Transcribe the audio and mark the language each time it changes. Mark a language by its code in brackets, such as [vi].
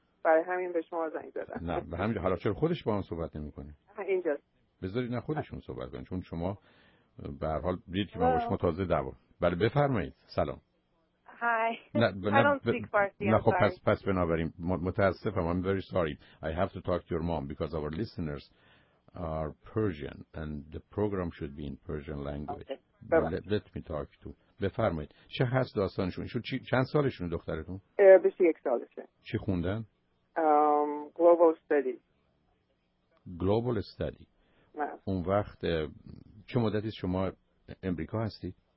[fa] برای همین به شما زنگ زدم. نه، به همین حالا چرا خودش با هم صحبت نمیکنه؟ اینجا. بذارید نه خودشون صحبت کنن، چون شما به هر حال دیدید که من با شما تازه دعوا. بله بفرمایید. سلام. [en] Hi. [fa] No, پس بنابراین متاسفم. [en] I'm very sorry. I have to talk to your mom because our listeners are Persian and the program should be in Persian language. Okay. Let me talk to. [fa] بفرمایید. چه هست داستانشون؟ چند سالشون دخترتون؟ 21 سالشه. چی خوندن؟ [en] Global Study. Global Study. Yes. [fa] اون وقت چه مدتی شما امریکا هستید؟